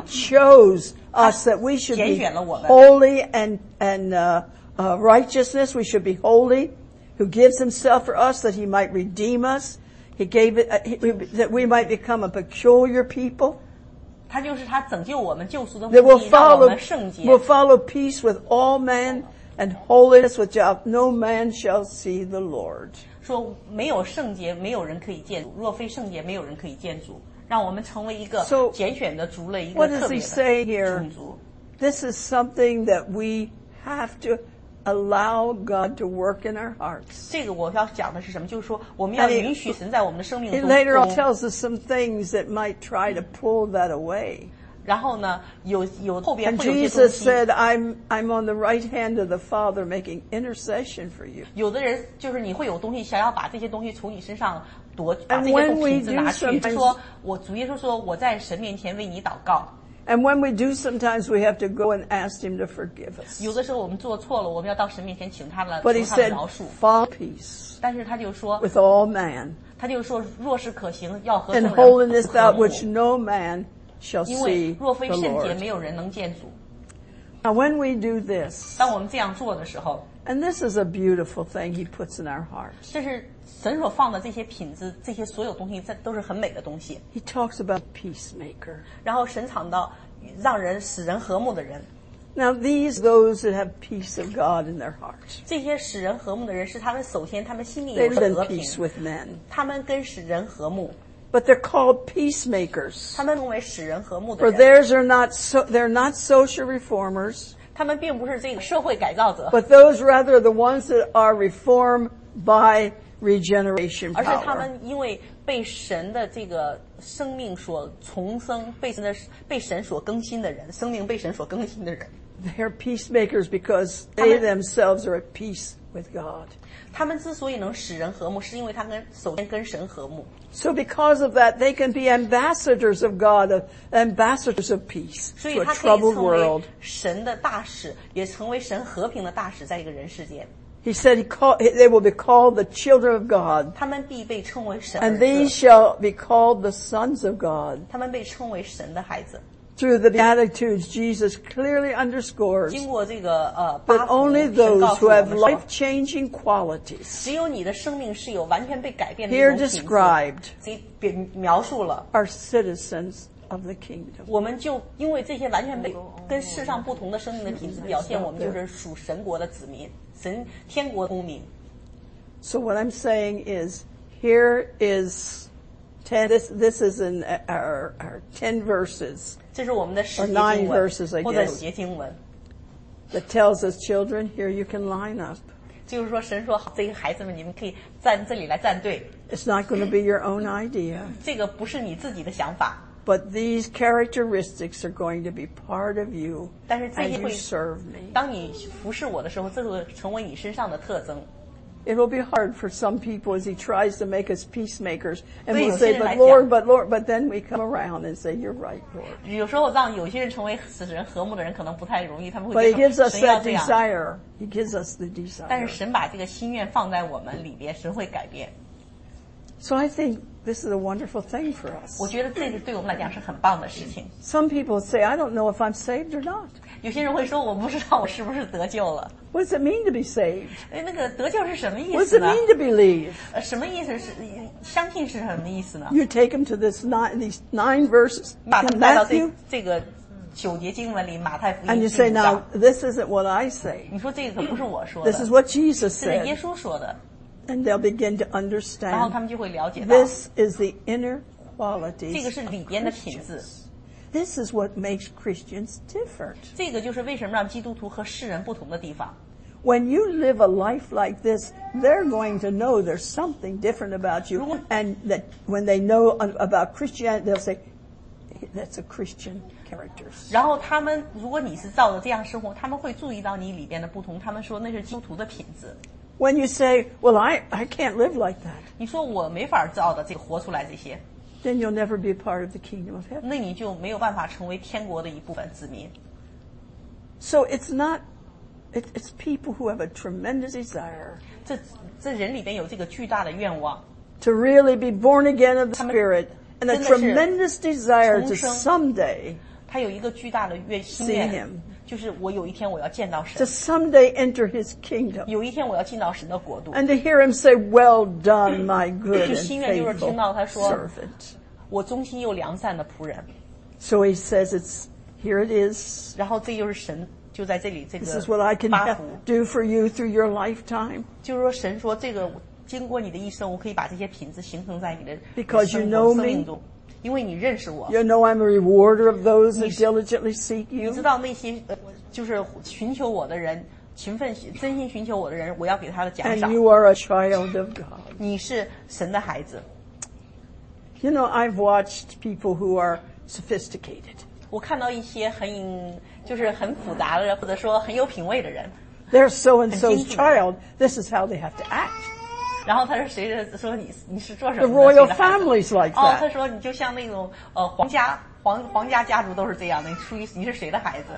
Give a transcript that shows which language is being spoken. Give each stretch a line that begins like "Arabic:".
English: He chose us that we should be holy and righteousness. We should be holy. Who gives himself for us that he might redeem us. He gave it, that we might become a peculiar people.
Chinese: 他就是他拯救我们救赎的目的让我们圣洁。
English: We'll follow peace with all men and holiness with God. No man shall see the Lord.
Chinese: 说没有圣洁，没有人可以见主。若非圣洁，没有人可以见主。让我们成为一个拣选的族类，
English: so,
Chinese: 一个特别的种族。
English: This is something that we have to allow God to work in our hearts.
Chinese: 这个我要讲的是什么？就是说，我们要允许神在我们的生命中。
English: It later on tells us some things that might try to pull that away.
Chinese: 然后呢，有后边会有些东西。
English: Jesus said, "I'm on the right hand of the Father, making intercession for you."
Chinese: 有的人就是你会有东西想要把这些东西从你身上夺，把这些瓶子拿去。说，我主耶稣说，我在神面前为你祷告。
English: And when we do, sometimes we have to go and ask Him to forgive us.
Chinese: 有的时候我们做错了，我们要到神面前请他了，求他的饶恕。
English: Follow peace.
Chinese: 但是他就说
English: ，With all man.
Chinese: 他就说，若是可行，要和。
English: And holiness that which no man. Shall see
Chinese: 因为若非圣洁，没有人能见主。
English: Now, when we do this,
Chinese: 当我们这样做的时候
English: ，and this is a beautiful thing He puts in our hearts.
Chinese: 这是神所放的这些品质，这些所有东西，这都是很美的东西。
English: He talks about peacemaker.
Chinese: 然后神讲到让人使人和睦的人。
English: Now, these those that have peace of God in their hearts.
Chinese: 这些使人和睦的人是他们首先他们心里有和平。
English: They live in peace with men.
Chinese: 他们跟使人和睦。
English: But they're called peacemakers.
Chinese: 他们成为使人和睦的人。
English: For theirs are not they're not social reformers.
Chinese: 他们并不是这个社会改造者。
English: But those rather are the ones that are reformed by regeneration power.
Chinese: 而是他们因为被神的这个生命所重生，被神所更新的人，生命被神所更新的人。
English: They're peacemakers because they themselves are at peace with God.
Chinese: 他们之所以能使人和睦，是因为他们首先跟神和睦。
English: So because of that, they can be ambassadors of God, ambassadors of peace to a troubled world.
Chinese: 所以他可以成为神的大使，也成为神和平的大使，在一个人世间。
English: He said, "They will be called the children of God."
Chinese: 他们必被称为神。
English: And they shall be called the sons of God.
Chinese: 他们被称为神的孩子。
English: Through the Beatitudes, Jesus clearly underscores
Chinese: 经过这个
English: but only those who have life-changing qualities
Chinese: 只有你的生命是有完全被改变的
English: here described
Chinese: 被描述了
English: are citizens of the kingdom
Chinese: 我们就因为这些完全被跟世上不同的生命的品质表现我们就是属神国的子民神天国的公民
English: So what I'm saying is here is This is in our 10 verses.
Chinese: 这是我们的十节经文
English: or 9 verses, I guess.
Chinese: 或者节经文
English: That tells us, children, here you can line up.
Chinese: 就是说神说这些孩子们你们可以站这里来站队
English: It's not going to be your own idea.
Chinese: 这个不是你自己的想法
English: But these characteristics are going to be part of you as you serve me.
Chinese: 当你服侍我的时候这会成为你身上的特征
English: It will be hard for some people as he tries to make us peacemakers. And we'll say, but Lord, but then we come around and say, you're right, Lord.
Chinese: 有时候让有些人成为使人和睦的人可能不太容易他们会
English: But he gives us that desire. He gives us the desire.
Chinese: 但是神把这个心愿放在我们里边神会改变。
English: So I think this is a wonderful thing for us.
Chinese: 我觉得这个对我们来讲是很棒的事情。
English: Some people say, I don't know if I'm saved or not.
Chinese: 有些人会说我不知道我是不是得救了。
English: What does it mean to be saved?
Chinese: 哎，那个得救是什么意思呢
English: ？What does it mean to believe?
Chinese: 什么意思是相信是什么意思呢
English: ？You take him to this nine verses.
Chinese: 把他带到这个九节经文里马太福音。
English: And you say now this isn't what I say.
Chinese: 你说这个可不是我说的。
English: This is what Jesus said.
Chinese: 这是耶稣说的。
English: And they'll begin to understand.
Chinese: 然后他们就会了解到。
English: This is the inner qualities.
Chinese: 这个是里边的品质。
English: This is what makes Christians different.
Chinese: 这个就是为什么让基督徒和世人不同的地方。
English: When you live a life like this, they're going to know there's something different about you. And that when they know about Christianity, they'll say, that's a Christian character.
Chinese: 然后他们，如果你是照着这样生活，他们会注意到你里边的不同，他们说那是基督徒的品质。
English: When you say, well, I can't live like that.
Chinese: 你说我没法照着这个活出来这些。
English: Then you'll never be a part of the kingdom of heaven.
Chinese: 那你就没有办法成为天国的一部分子民。
English: So it's not, it's people who have a tremendous desire.
Chinese: 这人里边有这个巨大的愿望。
English: To really be born again of the Spirit. And a tremendous desire to someday.
Chinese: 他有一个巨大的愿心愿。
English: See him.
Chinese: 就是我有一天我要见到神。
English: To someday enter his kingdom.
Chinese: 有一天我要进到神的国度。
English: And to hear him say, well done, my good and faithful servant.
Chinese: 我忠心又良善的仆人。
English: So he says, it's, here it is.
Chinese: 然后这就是神。就在这里这个、
English: This is what I can do for you through your lifetime.
Chinese: 就是说神说这个经过你的一生我可以把这些品质形成在你的生命中。
English: Because you know me.
Chinese: 因为你认识我。
English: You know I'm a rewarder of those that diligently seek you.
Chinese: 你知道那些、就是寻求我的人勤奋真心寻求我的人我要给他的奖赏。
English: And you are a child of God.
Chinese: 你是神的孩子。
English: You know, I've watched people who are sophisticated.
Chinese: 我看到一些很就是很复杂的或者说很有品味的人
English: They're so and so's child This is how they have to act
Chinese: 然后他说谁的说你是做什么
English: The royal family's like that
Chinese: 哦他说你就像那种皇家家族都是这样的 你是谁的孩子